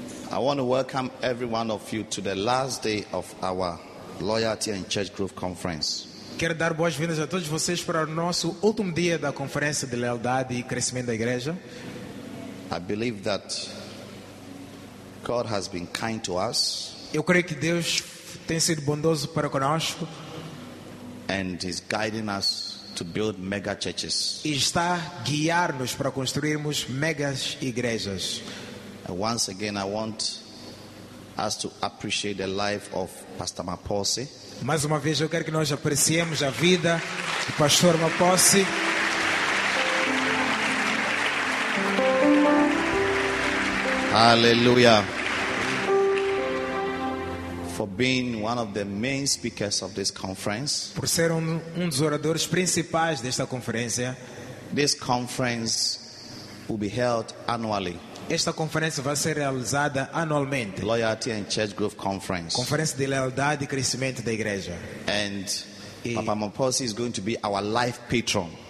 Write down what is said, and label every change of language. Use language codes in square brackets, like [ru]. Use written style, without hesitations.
[en] I want to welcome every one of you to the last day of our Loyalty and Church Growth Conference. [pt] Quero dar boas-vindas a todos vocês para o nosso último dia da conferência de lealdade e crescimento da igreja. [en] I believe that God has been kind to us. [pt] Eu creio que Deus tem sido bondoso para conosco. [en] And is guiding us to build mega churches. [pt] E está guiar-nos para construirmos megas igrejas. [en] And once again, I want us to appreciate the life of Pastor Maposi. [pt] Mais uma vez, eu quero que nós apreciemos a vida do Pastor Maposi. [en] Hallelujah. For being one of the main speakers of this conference. [pt] Por ser um dos oradores principais desta conferência. [en] This conference will be held annually. [pt] Esta conferência vai ser realizada anualmente. [en] Loyalty and Church Growth Conference. [pt] Conferência de lealdade e crescimento da igreja. [en] And Papa Maposi is going to be our life patron.